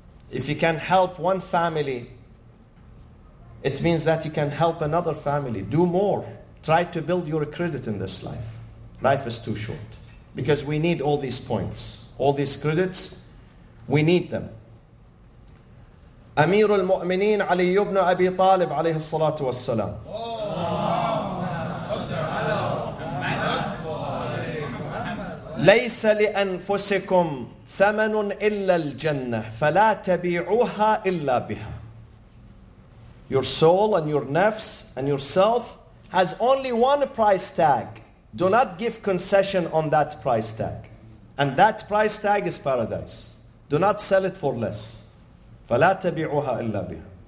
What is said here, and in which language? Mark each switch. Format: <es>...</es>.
<en>If you can help one family, it means that you can help another family. Do more. Try to build your credit in this life. Life is too short, because we need all these points, all these credits, we need them.</en> <ar>أمير المؤمنين علي بن أبي طالب عليه الصلاة والسلام. ليس لأنفسكم ثمن إلا الجنة فلا تبيعوها إلا بها.</ar> <en>Your soul and your nafs and yourself has only one price tag. Do not give concession on that price tag. And that price tag is paradise. Do not sell it for less.</en> <ar>فلا تبيعوها إلا بها.</ar>